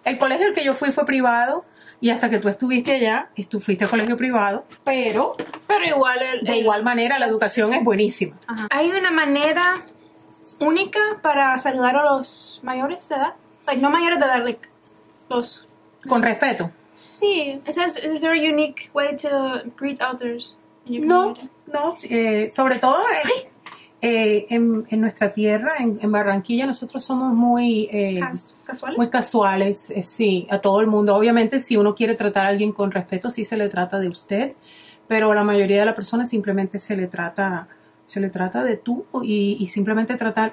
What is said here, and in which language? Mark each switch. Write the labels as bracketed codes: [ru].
[es] El colegio al que yo fui fue privado, y hasta que tú estuviste allá, tú fuiste a colegio privado, pero igual igual manera la educación es buenísima. Ajá. ¿Hay una manera única para saludar a los mayores de edad? Like, no mayores de edad, like, los... ¿Con respeto? Sí. [en] Is there a unique way to greet elders in your community? [es] No, sobre todo en nuestra tierra, en Barranquilla, nosotros somos muy... ¿Casuales? Muy casuales, sí, a todo el mundo. Obviamente, si uno quiere tratar a alguien con respeto, sí se le trata de usted, pero la mayoría de la persona simplemente se le trata de tú y simplemente tratar...